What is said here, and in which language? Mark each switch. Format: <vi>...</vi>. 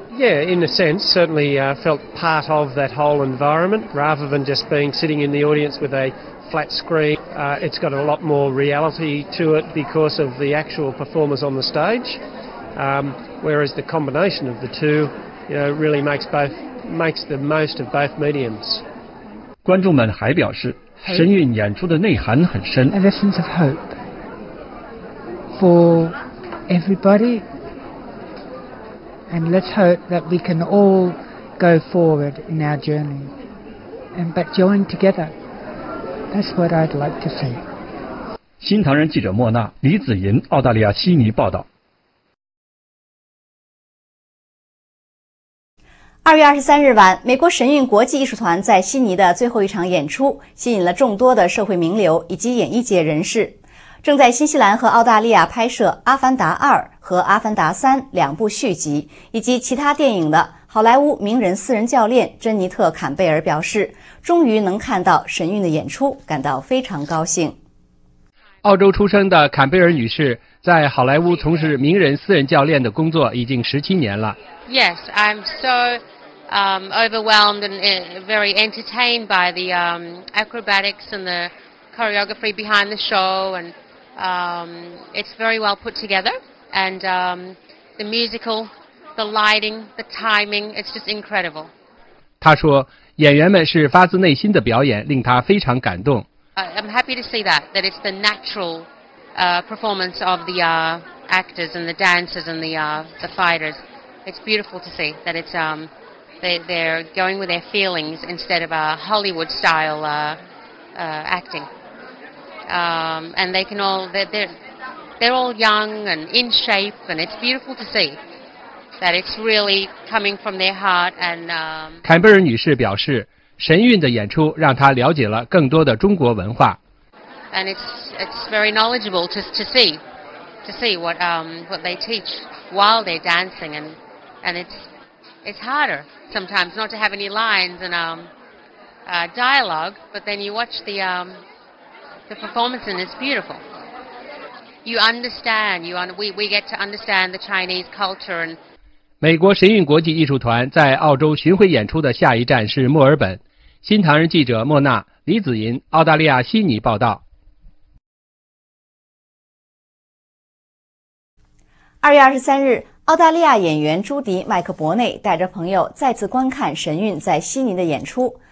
<en>Yeah, in a sense, certainly felt part of that whole environment rather than just being sitting in the audience with a flat screen. It's got a lot more reality to it because of the actual performers on the stage, whereas the combination of the two, you know, really makes the most of both mediums.</en> <zh>观众们还表示，神韵演出的内涵很深。</zh> <en>A sense of hope for everybody. And let's hope that we can all go forward in our journey, but join together. That's what I'd like to see.</en> <zh>新唐人记者莫娜、李子银，澳大利亚悉尼报道。 2月23日晚，美国神韵国际艺术团在悉尼的最后一场演出，吸引了众多的社会名流以及演艺界人士。正在新西兰和澳大利亚拍摄《阿凡达2》和《阿凡达3》两部续集，以及其他电影的好莱坞名人私人教练珍妮特·坎贝尔表示，终于能看到神韵的演出，感到非常高兴。澳洲出生的坎贝尔女士在好莱坞从事名人私人教练的工作已经17年了。</zh> <en>Yes, I'm so overwhelmed and very entertained by the acrobatics and the choreography behind the show andit's very well put together, and the musical, the lighting, the timing, it's just incredible.</en> <zh>他说，演员们是发自内心的表演，令他非常感动。</zh> <en>I'm happy to see that it's the natural performance of the actors and the dancers and the fighters. It's beautiful to see that it's they're going with their feelings instead of a Hollywood style acting. And they can all, they're all young and in shape, and it's beautiful to see that it's really coming from their heart. And</en> <zh>坎贝尔女士表示，神韵的演出让她了解了更多的中国文化。</zh> <en>And it's very knowledgeable to see what they teach while they're dancing, and it's harder sometimes not to have any lines and dialogue, but then you watch the performance and it's beautiful. We get to understand the Chinese culture and.</en> <zh>美国神韵国际艺术团在澳洲巡回演出的下一站是墨尔本。新唐人记者莫娜、李子银，澳大利亚悉尼报道。 2月23日，澳大利亚演员朱迪·麦克伯内带着朋友再次观看神韵在悉尼的演出。</zh>